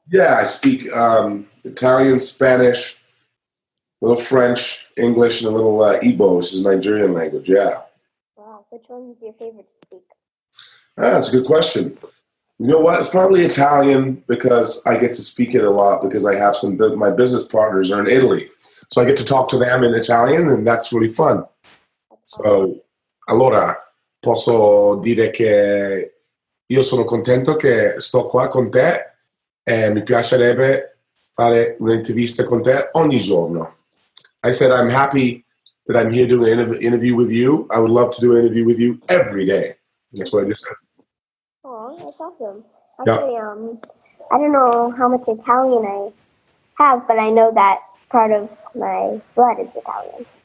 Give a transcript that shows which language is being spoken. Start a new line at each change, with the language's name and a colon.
English: Yeah, I speak Italian, Spanish, a little French, English, and a little Igbo, which is a Nigerian language. Yeah. Wow. Which one is your favorite to speak? That's a good question. You know what? It's probably Italian because I get to speak it a lot because I have some of my business partners are in Italy. So I get to talk to them in Italian, and that's really fun.
Italian: So, allora, posso dire che io sono contento che sto qua con te e mi piacerebbe fare un'intervista con te ogni giorno.
English: I said, I'm happy that I'm here doing an interview with you. I would love to do an interview with you every day. That's what I just said. That's awesome. Actually, yeah. I don't know how much Italian I have, but I know that part of my blood is Italian.